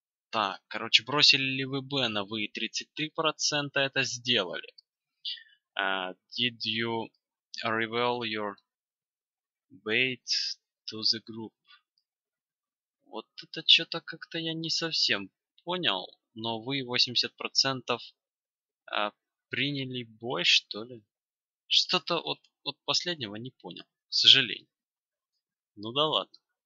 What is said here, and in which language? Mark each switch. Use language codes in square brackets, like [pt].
[ru] Так, короче, бросили ли вы Бена? Вы 33% это сделали. [en] Did you reveal your bait to the group? [ru] Вот это что-то как-то я не совсем понял, но вы 80% приняли бой, что ли? Что-то от последнего не понял, к сожалению. Ну да ладно.